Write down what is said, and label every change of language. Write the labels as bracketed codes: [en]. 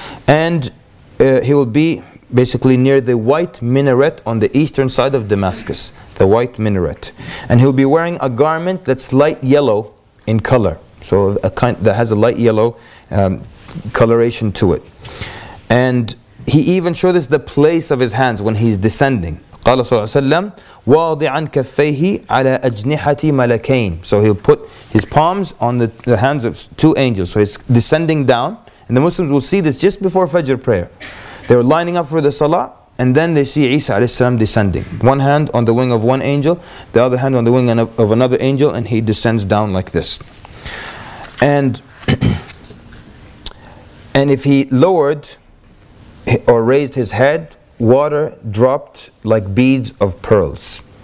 [en] And he will be basically near the white minaret on the eastern side of Damascus, the white minaret. And he'll be wearing a garment that's light yellow in color. So a kind that has a light yellow coloration to it. And he even showed us the place of his hands when he's descending. [ar] قال صلى الله عليه وسلم وَاضِعًا كَفَّيْهِ عَلَى أَجْنِحَةِ مَلَكَيْنِ. [en] So he'll put his palms on the hands of two angels. So he's descending down. And the Muslims will see this just before Fajr prayer. They're lining up for the Salah. And then they see Isa alayhi salam descending. One hand on the wing of one angel. The other hand on the wing of another angel. And he descends down like this. And if he lowered or raised his head, water dropped like beads of pearls.